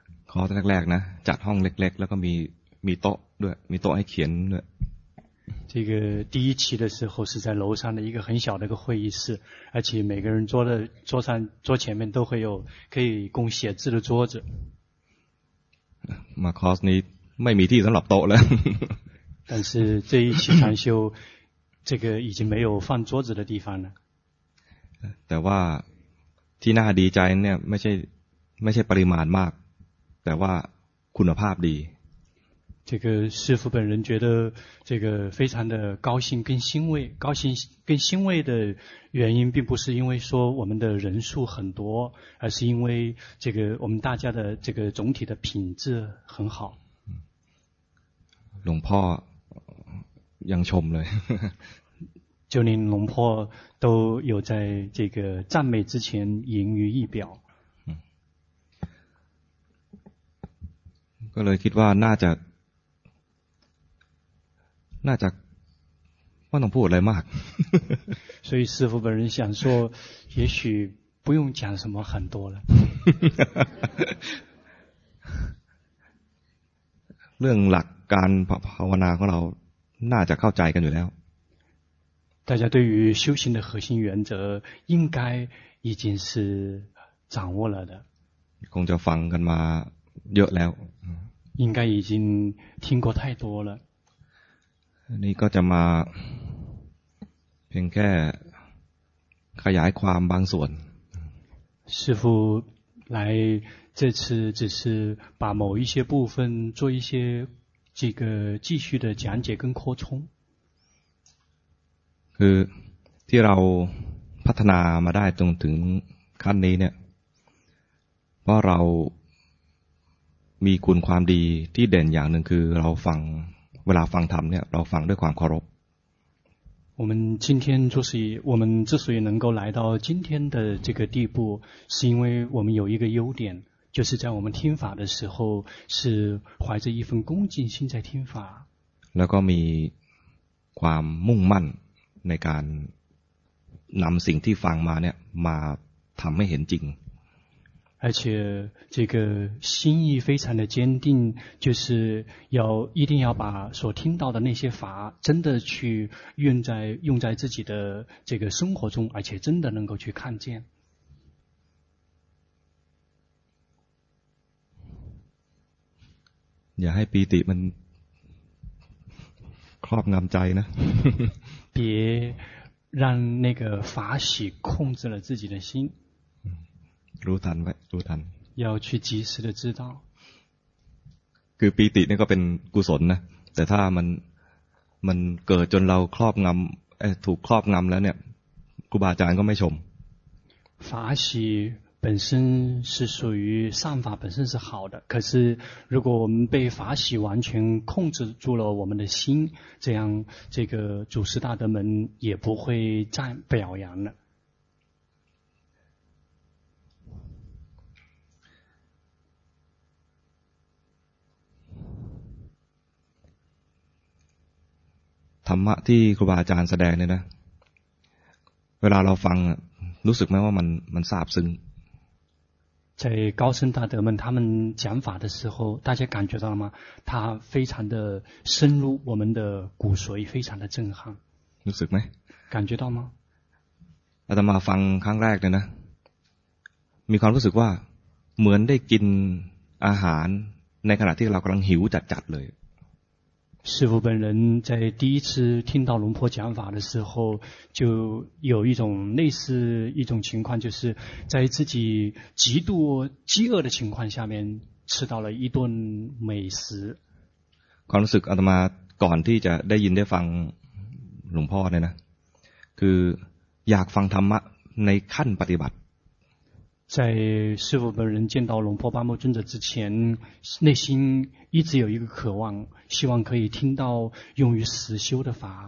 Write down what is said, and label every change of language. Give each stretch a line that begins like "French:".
Thai: ขอแรกๆนะจัดห้องเล็กๆแล้วก็มีโต๊ะด้วยมีโต๊ะให้เขียนด้วย
Chinese: 这个第一期的时候是在楼上的一个很小的一个会议室而且每个人桌前面都会有可以供写字的桌子
Thai: มาคอร์สนี้ไม่มีที่สำหรับโต๊ะแล้ว
Chinese: 但是这一期禅修这个已经没有放桌子的地方了
Thai: แต่ว่าที่น่าดีใจเนี่ยไม่ใช่ปริมาณมากแต่ว่าคุณภาพดี
Chinese: 这个师父本人觉得这个非常的高兴跟欣慰高兴跟欣慰的原因并不是因为说我们的人数很多而是因为这个我们大家的这个总体的品质很好
Thai: หลวงพ่อยังชมเลย
Chinese: 就连หลวงพ่อ都有在这个赞美之前盈于一表
Thai: ก็เลยคิดว่าน่าจะไม่ต้องพูดอะไรมาก
Chinese: 所以师父本人想说也许不用讲什么很多了
Thai: เรื่องหลักการภาวนาของเราน่าจะเข้าใจกันอยู่แล้ว
Chinese: 大家对于修行的核心原则应该已经是掌握了的
Thai: คงจะฟังกันมาเยอะแล้ว
Chinese: 应该已经听过太多了
Thai: นี่ก็จะมาเพียงแค่ขยายความบางส่วน
Chinese: 师父来这次只是把某一些部分做一些这个继续的讲解跟扩充
Thai: คือที่เราพัฒนามาได้จนถึงขั้นนี้เนี่ยเพราะเรามีคุณความดีที่เด่นอย่างหนึ่งคือเราฟังเวลาฟังธรรมเนี่ยเราฟังด้วยความเคารพ
Chinese: 我们今天就是我们之所以能够来到今天的这个地步是因为我们有一个优点就是在我们听法的时候是怀着一份恭敬心在听法
Thai: แล้วก็มีความมุ่งมั่นในการนำสิ่งที่ฟังมาเนี่ยมาทำให้เห็นจริง
Chinese: 而且这个心意非常的坚定就是要一定要把所听到的那些法真的去用在自己的这个生活中而且真的能够去看见
Thai: อย่าให้ปีติมันครอบงำใจนะ
Chinese: 别让那个法喜控制了自己的心
Thai: รู้ทันไว้รู้ทัน
Chinese: 要去及时的知道
Thai: คือปีตินี่ก็เป็นกุศลนะแต่ถ้ามันเกิดจนเราครอบงำถูกครอบงำแล้วเนี่ยครูบาอาจารย์ก็ไม่ชม
Chinese: 法喜本身是属于善法本身是好的可是如果我们被法喜完全控制住了我们的心这样这个祖师大德们也不会再表扬了
Thai: ธรรมะที่ครูบาอาจารย์แสดงเนี่ยนะเวลาเราฟังรู้สึกไหมว่ามันซาบซึ้ง
Chinese: 在高僧大德们他们讲法的时候大家感觉到了吗他非常的深入我们的骨髓非常的震撼
Thai: รู้สึกไหม
Chinese: 感觉到吗
Thai: อาตมาฟังครั้งแรกเนี่ยนะมีความรู้สึกว่าเหมือนได้กินอาหารในขณะที่เรากำลังหิวจัดๆเลย
Chinese: 师父本人在第一次听到龙婆讲法的时候就有一种类似一种情况就是在自己极度饥饿的情况下面吃到了一顿美食
Thai: ความรู้สึกอาตมาก่อนที่จะได้ยินได้ฟังหลวงพ่อเนี่ยนะคืออยากฟังธรรมะในขั้นปฏิบัติ
Chinese: 在师父本人见到龙婆巴木尊者之前内心一直有一个渴望希望可以听到用于实修的法